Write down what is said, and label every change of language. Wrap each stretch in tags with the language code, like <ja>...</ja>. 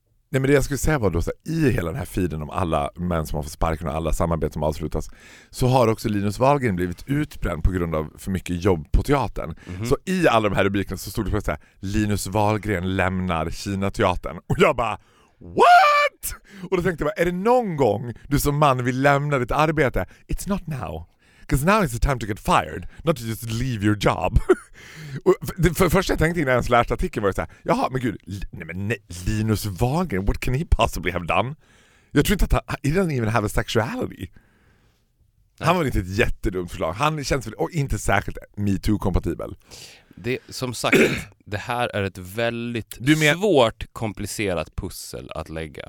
<sv>Nej, men det jag skulle säga var då, så här, i hela den här feeden om alla män som har fått sparken och alla samarbeten som avslutas, så har också Linus Wahlgren blivit utbränd på grund av för mycket jobb på teatern. Mm-hmm. Så i alla de här rubrikerna så stod det plötsligt så här, Linus Wahlgren lämnar Kina-teatern. Och jag bara,</sv> <en>what?</en> <sv>Och då tänkte jag, är det någon gång du som man vill lämna ditt arbete?</sv> <en>It's not now. Because now is the time to get fired. Not to just leave your job.</en> <sv>Först jag tänkte innan jag läste artikeln var det så här, jaha, men gud, nej, Linus Wahlgren,</sv> <en>what can he possibly have done?</en> <sv>Jag tror inte att</sv> <en>he doesn't even have a sexuality.</en> <sv>Han var inte ett jättedumt förslag. Han känns väl, och inte särskilt MeToo-kompatibel. Det, som sagt, det här är ett väldigt svårt, komplicerat pussel att lägga.</sv>